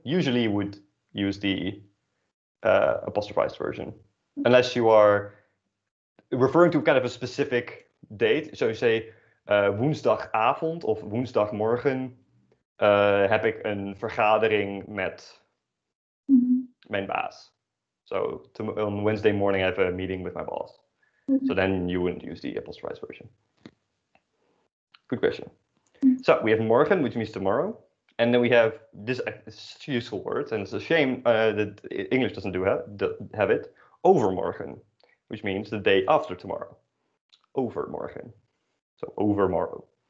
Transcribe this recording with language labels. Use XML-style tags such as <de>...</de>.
<en>Usually you would use the apostrophized version, unless you are referring to kind of a specific date. So you say</en> <nl>woensdagavond of woensdagmorgen heb ik een vergadering met mijn baas.</nl> <en>So on Wednesday morning, I have a meeting with my boss. Mm-hmm. So then you wouldn't use the apostrophized version. Good question. Mm-hmm. So we have morgen, which means tomorrow. And then we have this useful word, and it's a shame that English doesn't have it. Overmorgen, which means the day after tomorrow. Overmorgen. So overmorrow.</en>